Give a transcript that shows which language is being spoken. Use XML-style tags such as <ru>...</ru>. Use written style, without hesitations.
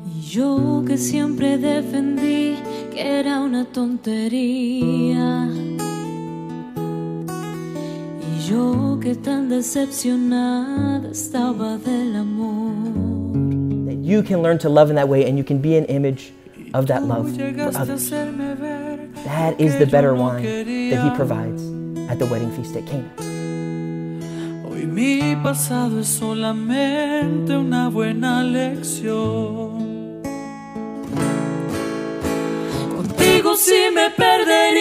<es>Yo que siempre defendí que era una tontería, y yo que tan decepcionada estaba del amor.</es> <en>That you can learn to love in that way and you can be an image of that love for others. That is the better wine that He provides at the wedding feast at Cana.</en> <es>Hoy mi pasado es solamente una buena lección. Si me perdes.</es>